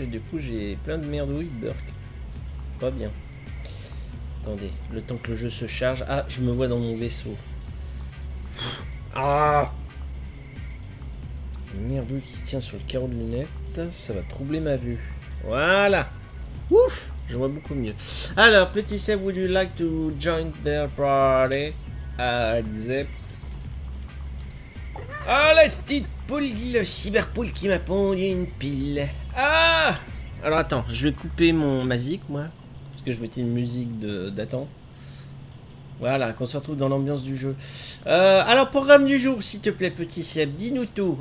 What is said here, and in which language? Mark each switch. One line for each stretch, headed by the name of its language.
French: Et du coup, j'ai plein de merdouilles de Burke. Pas bien. Attendez, le temps que le jeu se charge. Ah, je me vois dans mon vaisseau. Ah, une merdouille qui tient sur le carreau de lunettes. Ça va troubler ma vue. Voilà. Ouf, je vois beaucoup mieux.
English: Alors, petit Seb, would you like to join their party?
French: Zep. Oh, la petite poule, le cyberpoule qui m'a pondu une pile. Ah! Alors, attends, je vais couper ma zik, moi. Parce que je mettais une musique d'attente. Voilà, qu'on se retrouve dans l'ambiance du jeu. Alors, programme du jour, s'il te plaît, petit Seb, dis-nous tout.